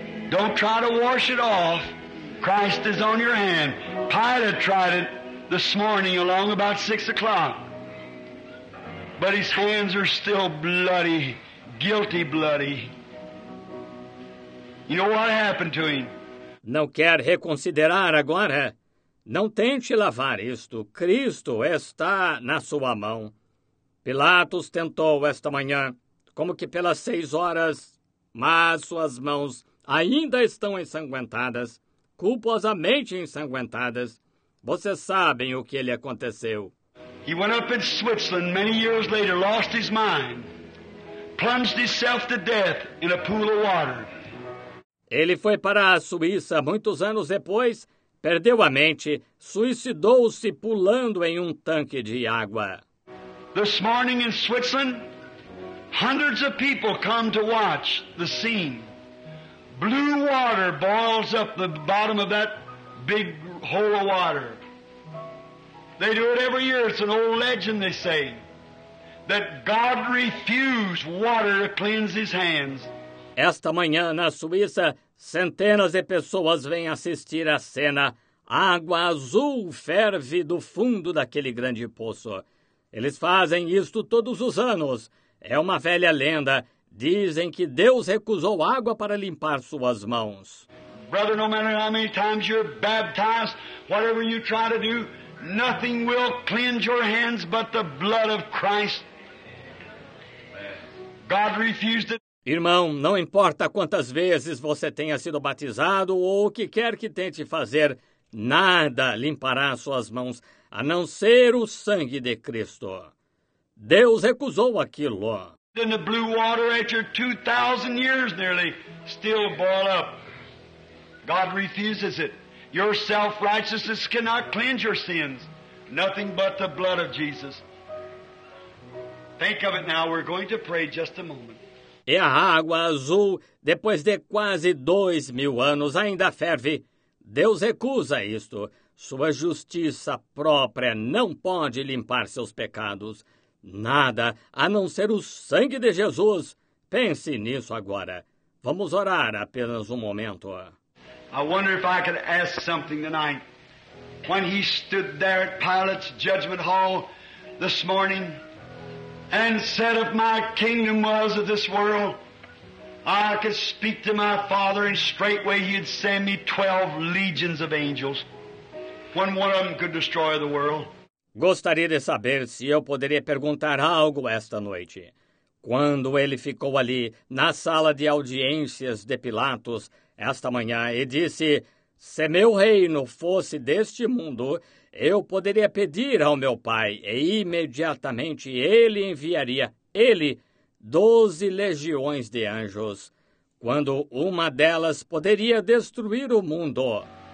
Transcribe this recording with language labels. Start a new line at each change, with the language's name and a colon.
English: Don't try to wash it off. Christ is on your hand. Pilate tried it this morning along about 6 o'clock. But his hands are still bloody, guilty bloody. You know what happened to him?
Portuguese: Não quer reconsiderar agora? Não tente lavar isto. Cristo está na sua mão. Pilatos tentou esta manhã, como que pelas 6 horas, mas suas mãos ainda estão ensanguentadas, culposamente ensanguentadas. Vocês sabem o que lhe aconteceu.
English: He went up in Switzerland many years later, lost his mind, plunged himself to death in a pool of water.
Portuguese: Ele foi para a Suíça muitos anos depois, perdeu a mente, suicidou-se pulando em um tanque de água.
English: This morning in Switzerland, hundreds of people come to watch the scene. Blue water boils up the bottom of that big hole of water. They do it every year. It's an old legend, they say, that God refused water to cleanse his hands.
Portuguese: Esta manhã na Suíça, centenas de pessoas vêm assistir à cena. Água azul ferve do fundo daquele grande poço. Eles fazem isto todos os anos. É uma velha lenda. Dizem que Deus recusou água para limpar suas mãos.
English: Brother, no matter how many times you're baptized, whatever you try to do, nothing will cleanse your hands but the blood of Christ. God refused it.
Portuguese: Irmão, não importa quantas vezes você tenha sido batizado ou o que quer que tente fazer, nada limpará suas mãos, a não ser o sangue de Cristo. Deus recusou aquilo.
English: In the blue water after 2,000 years nearly still boil up. God refuses it. Your self-righteousness cannot cleanse your sins. Nothing but the blood of Jesus. Think of it now. We're going to pray just a moment.
Portuguese: E a água azul, depois de quase 2,000 anos, ainda ferve. Deus recusa isto. Sua justiça própria não pode limpar seus pecados. Nada, a não ser o sangue de Jesus. Pense nisso agora. Vamos orar apenas um momento.
English: I wonder if I could ask something tonight. When he stood there at Pilate's judgment hall this morning and said, if my kingdom was of this world, I could speak to my Father and straightway he'd send me 12 legions of angels. When one of them could destroy the world.
Portuguese: Gostaria de saber se eu poderia perguntar algo esta noite. Quando ele ficou ali, na sala de audiências de Pilatos, esta manhã, e disse, se meu reino fosse deste mundo, eu poderia pedir ao meu Pai, e imediatamente ele enviaria, ele, 12 legiões de anjos, quando uma delas poderia destruir o mundo.